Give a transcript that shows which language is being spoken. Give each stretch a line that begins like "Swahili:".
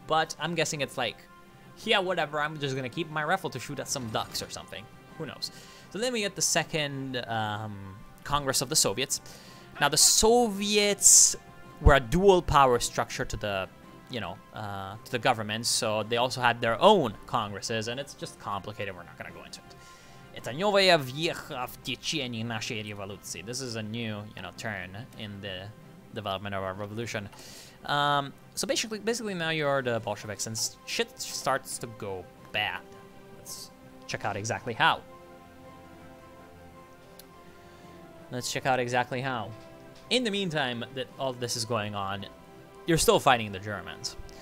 English: But I'm guessing it's like... Yeah, whatever, I'm just gonna keep my rifle to shoot at some ducks or something. Who knows? So then we get the second Congress of the Soviets. Now, the Soviets were a dual power structure to the, you know, to the government, so they also had their own congresses, and it's just complicated, we're not gonna go into it.
Russian: Это новая веха в течении нашей революции.
English: This is a new, you know, turn in the development of our revolution. So basically now you're the Bolsheviks, and shit starts to go bad. Let's check out exactly how. In the meantime that all this is going on, you're still fighting the Germans.